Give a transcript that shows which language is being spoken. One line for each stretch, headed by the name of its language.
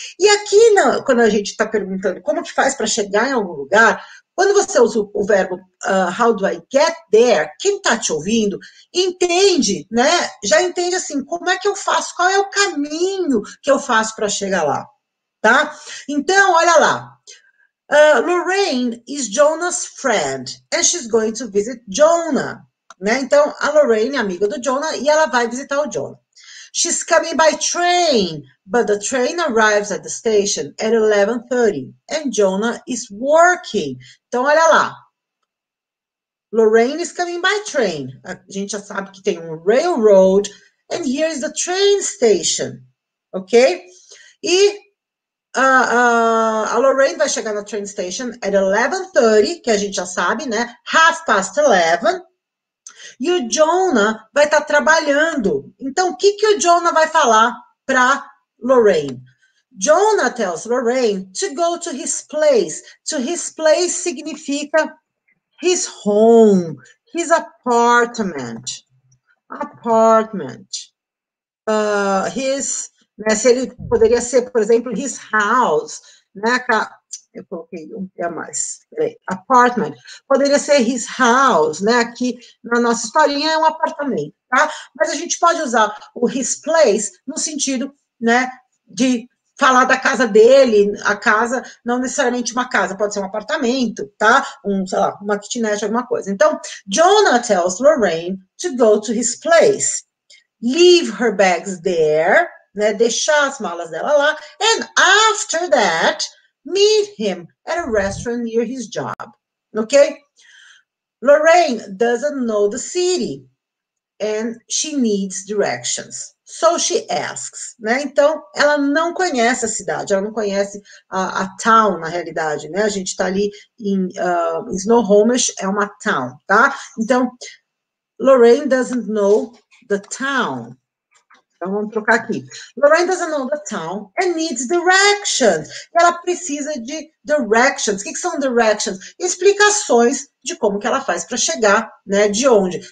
Portuguese: E aqui, quando a gente está perguntando como que faz para chegar em algum lugar, quando você usa o verbo
English: how do I get there,
Portuguese: quem está te ouvindo entende, né? Já entende assim, como é que eu faço? Qual é o caminho que eu faço para chegar lá, tá? Então, olha lá.
English: Lorraine is Jonah's friend and she's going to visit Jonah, né?
Portuguese: Então, a Lorraine é amiga do Jonah e ela vai visitar o Jonah.
English: She's coming by train, but the train arrives at the station at 11:30 and Jonah is working.
Portuguese: Então, olha lá.
English: Lorraine is coming by train.
Portuguese: A gente já sabe que tem um railroad
English: and here is the train station,
Portuguese: ok? A Lorraine vai chegar na train station at 11:30, que a gente já sabe, né?
English: Half past 11.
Portuguese: E o Jonah vai estar trabalhando. Então, o que que o Jonah vai falar para Lorraine?
English: Jonah tells Lorraine to go to his place. To his place significa his home, his apartment. Apartment.
Portuguese: Né, se ele poderia ser, por exemplo, his house, né? Eu coloquei um P a mais. Peraí. Apartment. Poderia ser his house, né? Aqui na nossa historinha é um apartamento, tá? Mas a gente pode usar o his place no sentido, né, de falar da casa dele, a casa, não necessariamente uma casa, pode ser um apartamento, tá? Sei lá, uma kitnet, alguma coisa.
English: Então, Jonah tells Lorraine to go to his place. Leave her bags there,
Portuguese: né? Deixar as malas dela lá.
English: And after that, meet him at a restaurant near his job. Ok? Lorraine doesn't know the city and she needs directions. So she asks, né?
Portuguese: Então, ela não conhece a cidade, ela não conhece a town, na realidade, né? A gente tá ali em Snohomish, é uma town, tá?
English: Então, Lorraine doesn't know the town.
Portuguese: Então, vamos trocar aqui.
English: Lorraine doesn't know the town and needs directions.
Portuguese: Ela precisa de directions. O que são directions? Explicações de como que ela faz para chegar, né? De onde?